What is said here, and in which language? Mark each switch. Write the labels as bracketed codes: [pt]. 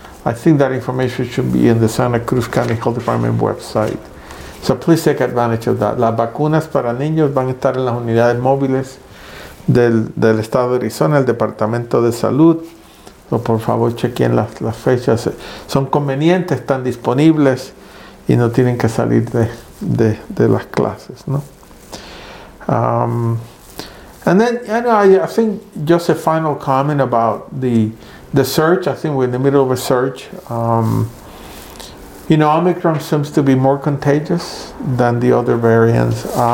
[en] I think that information should be in the Santa Cruz County Health Department website. So please take advantage of that. [es] Las vacunas para niños van a estar en las unidades móviles del estado de Arizona, el Departamento de Salud. So por favor, chequen las fechas. Son convenientes, están disponibles y no tienen que salir de las clases, ¿no? [en] And then, you know, I think just a final comment about the search. I think we're in the middle of a search. You know, Omicron seems to be more contagious than the other variants.